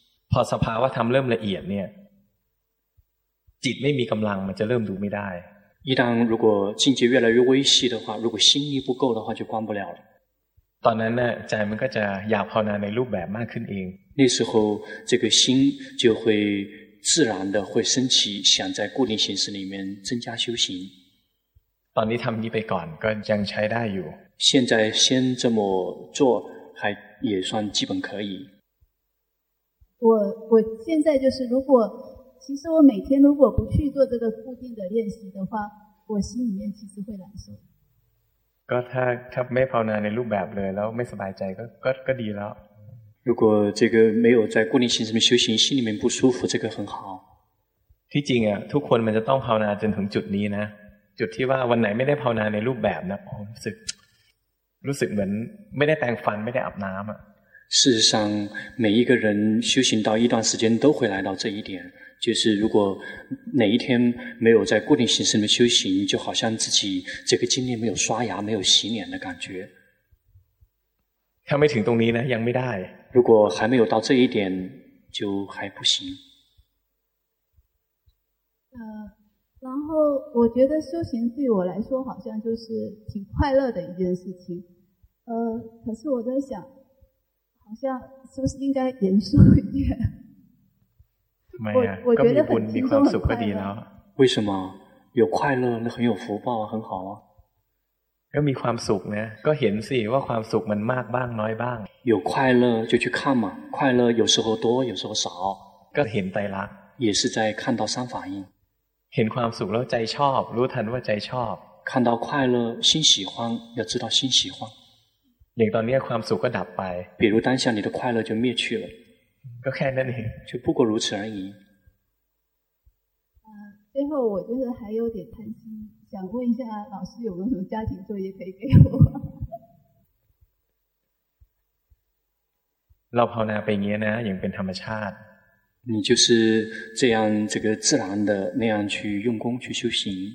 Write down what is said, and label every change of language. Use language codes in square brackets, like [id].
[th] พอสภาวะธรรมเริ่มละเอียดเนี่ยจิตไม่มีกำลังมันจะเริ่มดูไม่ได้ [zh] 一旦如果境界越来越微细的话如果心力不够的话就观不了 [th] ตอนนั้นน่ะใจมันก็จะอยากภาวนาในรูปแบบมากขึ้นเอง [zh] 那时候这个心就会自然的会升起想在固定形式里面增加修行 [th] ตอนนี้ทำนี้ไปก่อนก็ยังใช้ได้อยู่ [zh] 现在先这么做还也算基本可以我现在就是如果其实我每天如果不去做这个固定的练习的话我心里面其实会难受 [th] ก็ถ้าไม่ภาวนาในรูปแบบเลยแล้วไม่สบายใจก็ดีแล้ว [zh] 如果这个没有在固定形式里面修行心里面不舒服这个很好 [th] ที่จริงอ่ะทุกคนมันจะต้องภาวนาจนถึงจุดนี้นะจุดที่ว่าวันไหนไม่ได้ภาวนาในรูปแบบนะรู้สึกเหมือนไม่ได้แปรงฟันไม่ได้อาบน้ำอ่ะ [zh] 事实上每一个人修行到一段时间都会来到这一点就是如果哪一天没有在固定形式里面修行就好像自己这个今天没有刷牙没有洗脸的感觉 [th] ถ้าไม่ถึงตรงนี้นะยังไม่ได้ [zh] 如果还没有到这一点就还不行然后我觉得修行对我来说好像就是挺快乐的一件事情可是我在想好像是不是应该严肃一点我觉得很轻松很快乐为什么有快乐那很有福报很好啊 [th] ก็มีความสุขนะก็เห็นสิว่าความสุขมันมากบ้างน้อยบ้าง [zh] 有快乐就去看嘛快乐有时候多有时候少 [th] ก็เห็นไตรลักษณ์ [zh] 也是在看到三反应 [th] เห็นความสุขแล้วใจชอบรู้ทันว่าใจชอบ [zh] 看到快乐心喜欢要知道心喜欢 [th] อย่างตอนนี้ความสุขก็ดับไป [zh] 比如当下你的快乐就灭去了 [th] ก็แค่นั้นเอง [zh] 就不过如此而已最后我就是还有点贪心想问一下老师有没有什么家庭作业可以给我 [th] เราภาวนาไปเงี้ยนะอย่างเป็นธรรมชาติ [zh] 你就是这样这个自然的那样去用功去修行